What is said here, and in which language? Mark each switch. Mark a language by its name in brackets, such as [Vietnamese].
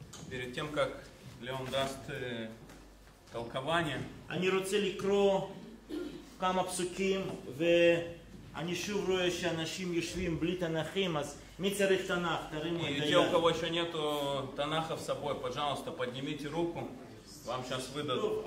[Russian] Перед тем, как Леон даст толкование. [Hebrew] אני רוצה לקרוא כמה פסוקים, ואני שוב רואה שאנשים יושבים בלי תנחים, אז מי צריך תנח? תרימו את היד. [Russian] И те, у кого еще нету танаха с собой, пожалуйста, поднимите руку, вам сейчас выдадут.